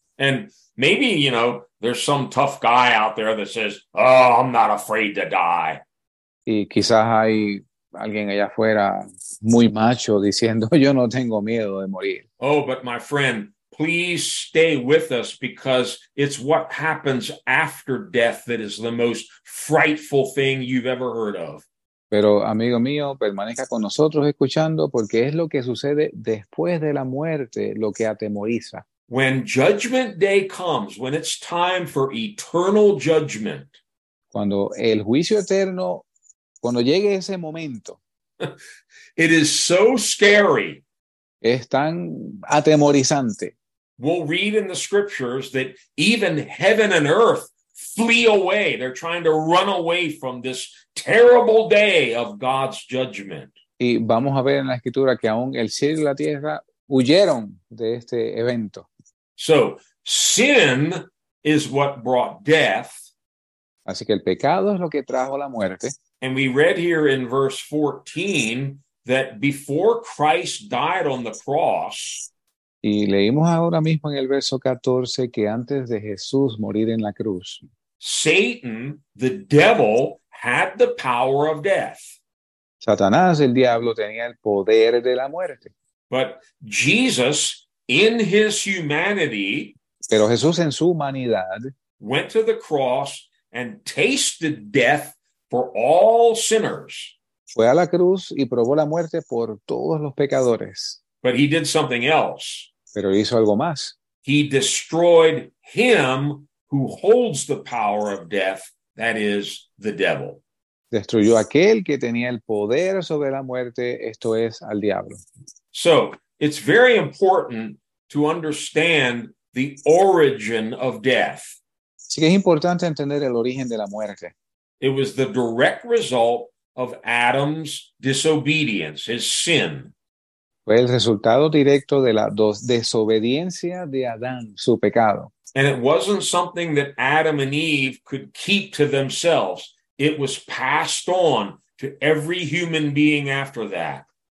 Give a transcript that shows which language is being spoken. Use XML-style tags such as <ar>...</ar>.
<en>And maybe, you know, there's some tough guy out there that says, oh, I'm not afraid to die.</en> <es>Y quizás hay alguien allá afuera muy macho diciendo, yo no tengo miedo de morir.</es> <en>Oh, but my friend, please stay with us because it's what happens after death that is the most frightful thing you've ever heard of.</en> <es>Pero amigo mío, permanezca con nosotros escuchando porque es lo que sucede después de la muerte lo que atemoriza.</es> <en>When judgment day comes, when it's time for eternal judgment.</en> <es>Cuando el juicio eterno, cuando llegue ese momento.</es> <en>It is so scary.</en> <es>Es tan atemorizante.</es> <en>We'll read in the scriptures that even heaven and earth flee away. They're trying to run away from this terrible day of God's judgment.</en> <es>Y vamos a ver en la escritura que aún el cielo y la tierra huyeron de este evento.</es> <en>So, sin is what brought death.</en> <es>Así que el pecado es lo que trajo la muerte.</es> <en>And we read here in verse 14 that before Christ died on the cross.</en> <es>Y leímos ahora mismo en el verso 14 que antes de Jesús morir en la cruz,</es> <en>Satan, the devil, had the power of death.</en> <es>Satanás, el diablo, tenía el poder de la muerte.</es> <en>But Jesus, in his humanity,</en> <es>Pero Jesús en su humanidad</es> <en>went to the cross and tasted death for all sinners.</en> <es>Fue a la cruz y probó la muerte por todos los pecadores.</es> <en>But he did something else.</en> <es>Pero hizo algo más.</es> <en>He destroyed him who holds the power of death, that is, the devil.</en> <es>Destruyó aquel que tenía el poder sobre la muerte, esto es, al diablo.</es> <en>So, it's very important to understand the origin of death.</en> <es>Así que es importante entender el origen de la muerte.</es> <en>It was the direct result of Adam's disobedience, his sin.</en> <es>Fue el resultado directo de la desobediencia de Adán, su pecado.</es> <en>And it wasn't something that Adam and Eve could keep to themselves. It was passed on to every human being after that.</en>